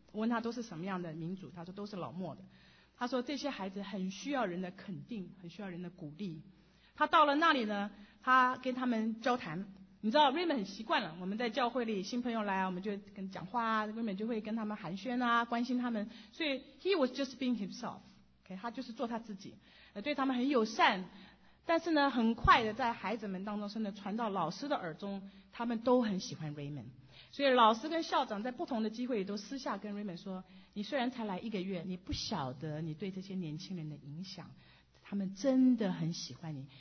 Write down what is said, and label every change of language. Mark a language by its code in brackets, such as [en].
[zh] 我问他都是什么样的民族，他说都是老墨的。他说这些孩子很需要人的肯定，很需要人的鼓励。他到了那里呢，他跟他们交谈。你知道 Raymond 很习惯了，我们在教会里新朋友来，我们就跟讲话， Raymond 就会跟他们寒暄啊，关心他们。所以 [en] he was just being himself。 [zh] 他就是做他自己，对他们很友善，但是呢，很快的在孩子们当中，甚至传到老师的耳中，他们都很喜欢 Raymond。所以老师跟校长在不同的机会里都私下跟 Raymond 说：“你虽然才来一个月，你不晓得你对这些年轻人的影响，他们真的很喜欢你。